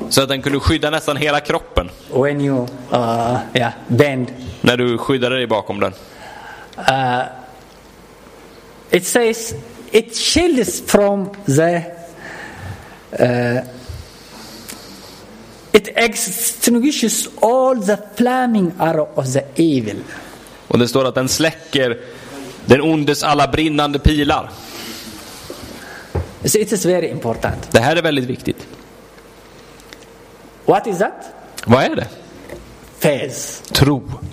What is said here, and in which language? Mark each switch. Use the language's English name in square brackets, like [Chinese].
[Swedish] Så att den kunde skydda nästan hela kroppen. [English] When you yeah, bend. [Swedish] När du skyddade dig bakom den. [English] It says it shields from the it extinguishes all the flaming arrow of the evil. [Swedish] Och det står att den släcker den ondes alla brinnande pilar. [English] So it is very important. [Swedish] Det här är väldigt viktigt. [English] What is that? [Swedish] Vad är det? [English] Faith. [Swedish] Tro.